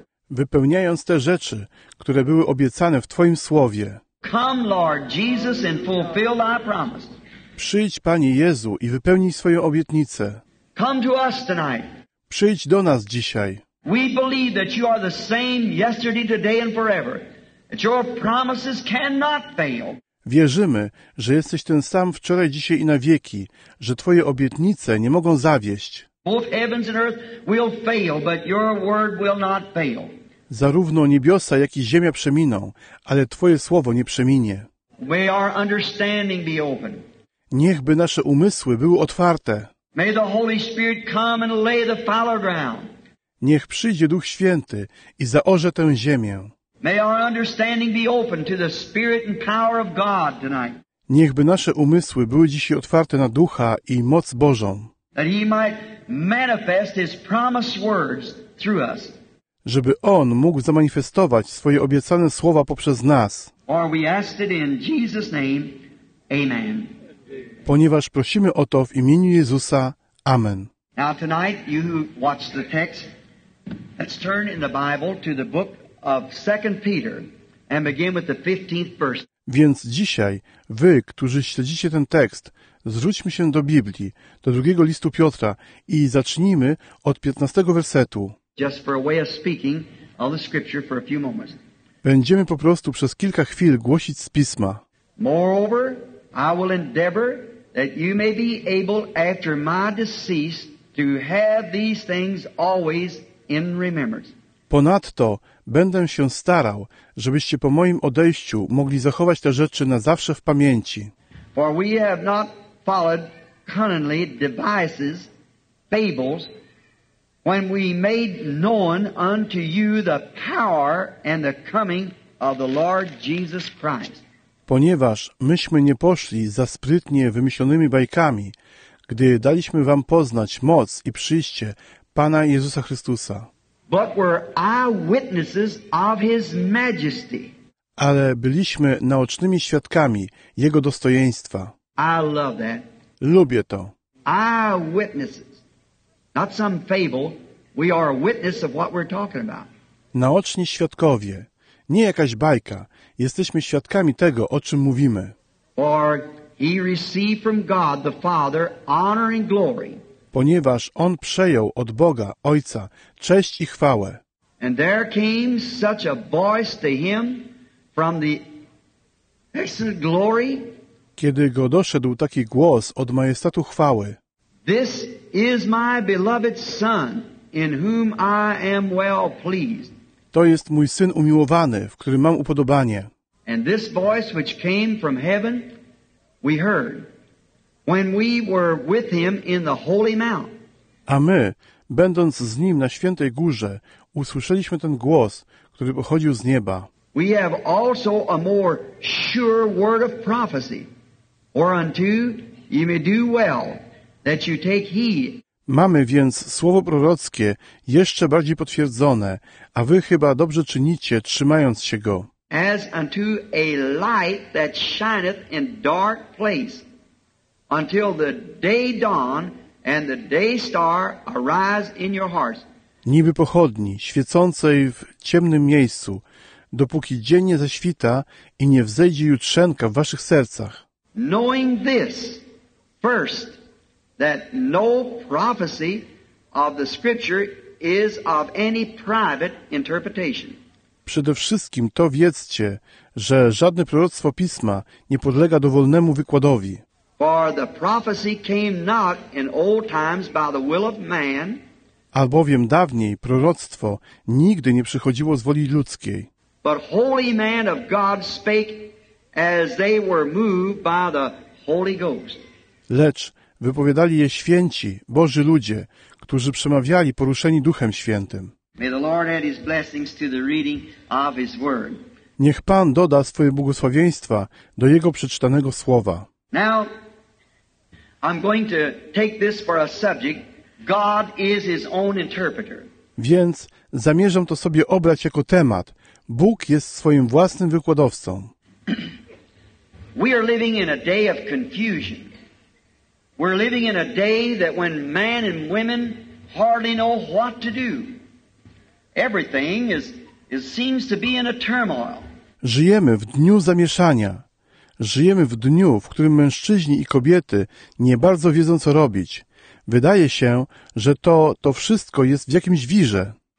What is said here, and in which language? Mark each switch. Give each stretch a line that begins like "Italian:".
Polish: Wypełniając te rzeczy, które były obiecane w Twoim Słowie.
English: Come, Lord Jesus, and fulfill thy promise.
Polish: Przyjdź, Panie Jezu, i wypełnij swoją obietnicę.
English: Come to us tonight.
Polish: Przyjdź do nas dzisiaj.
English: We believe that you are the same yesterday, today and forever. That your promises cannot fail.
Polish: Wierzymy, że jesteś ten sam wczoraj, dzisiaj i na wieki, że Twoje obietnice nie mogą zawieść.
English: Both heavens and earth will fail, but your word will not fail.
Polish: Zarówno niebiosa, jak i ziemia przeminą, ale Twoje słowo nie przeminie.
English: May our understanding be open.
Polish: Niechby nasze umysły były otwarte.
English: May the Holy Spirit come and lay the fallow ground.
Polish: Niech przyjdzie Duch Święty i zaorze tę ziemię.
English: May our understanding be open to the spirit and power of God tonight.
Polish: Niechby nasze umysły były dzisiaj otwarte na Ducha i moc Bożą.
English: That he might manifest his promised words through us.
Polish: Żeby On mógł zamanifestować swoje obiecane słowa poprzez nas.
English: Or we ask it in Jesus' name. Amen.
Polish: Ponieważ prosimy o to w imieniu Jezusa. Amen.
English: Now tonight, you who watch the text, let's turn in the Bible to the book of 2 Peter and begin with the 15th verse.
Polish: Więc dzisiaj, wy, którzy śledzicie ten tekst, zwróćmy się do Biblii, do drugiego listu Piotra i zacznijmy od 15 wersetu.
English: Just for a way of speaking of the scripture for a few moments.
Polish: Będziemy po prostu przez kilka chwil głosić z Pisma.
English: Moreover, I will endeavor that you may be able after my decease to have these things always in remembrance.
Polish: Ponadto będę się starał, żebyście po moim odejściu mogli zachować te rzeczy na zawsze w pamięci.
English: For we have not followed cunningly devices, fables, when we made known unto you the power and the coming of the Lord Jesus Christ.
Polish: Ponieważ myśmy nie poszli za sprytnie wymyślonymi bajkami, gdy daliśmy wam poznać moc i przyjście Pana Jezusa Chrystusa.
English: But were eyewitnesses of his majesty.
Polish: Ale byliśmy naocznymi świadkami jego dostojeństwa.
English: I love that.
Polish: Lubię to.
English: Eyewitnesses. Not some fable. We are a witness of what we're talking about.
Polish: Naoczni świadkowie. Nie jakaś bajka. Jesteśmy świadkami tego, o czym mówimy.
English: For he received from God the Father honor and glory.
Polish: Ponieważ on przejął od Boga Ojca cześć i chwałę.
English: And there came such a voice to him from the excellent glory.
Polish: Kiedy go doszedł taki głos od majestatu chwały.
English: This is my beloved son in whom I am well pleased.
Polish: To jest mój syn umiłowany, w którym mam upodobanie.
English: And this voice which came from heaven we heard when we were with him in the holy mount.
Polish: A my, będąc z nim na świętej górze, usłyszeliśmy ten głos, który pochodził z nieba.
English: We have also a more sure word of prophecy, whereunto you may do well that you take heed.
Polish: Mamy więc słowo prorockie jeszcze bardziej potwierdzone, a wy chyba dobrze czynicie, trzymając się go.
English: As unto a light that shineth in dark place, until the day dawn and the day star arise in your hearts.
Polish: Niby pochodni, świecącej w ciemnym miejscu, dopóki dzień nie zaświta i nie wzejdzie jutrzenka w waszych sercach.
English: Knowing this, first, that no prophecy of the Scripture is of any private interpretation.
Polish: Przede wszystkim to wiedzcie, że żadne proroctwo Pisma nie podlega dowolnemu wykładowi.
English: For the prophecy came not in old times by the will of man.
Polish: Albowiem dawniej proroctwo nigdy nie przychodziło z woli ludzkiej.
English: But holy men of God spake as they were moved by the Holy Ghost.
Polish: Lecz wypowiadali je święci, Boży ludzie, którzy przemawiali poruszeni Duchem Świętym.
English: May the Lord add his blessings to the reading of his word.
Polish: Niech Pan doda swoje błogosławieństwa do jego przeczytanego słowa.
English: Now, I'm going to take this for a subject. God is his own interpreter.
Polish: Więc zamierzam to sobie obrać jako temat. Bóg jest swoim własnym wykładowcą.
English: We are living in a day of confusion. We're living in a day that when men and women hardly know what to do. Everything seems to be in a turmoil.
Polish: Żyjemy w dniu zamieszania. Żyjemy w dniu, w którym mężczyźni i kobiety nie bardzo wiedzą, co robić. Wydaje się, że to wszystko jest w jakimś wirze.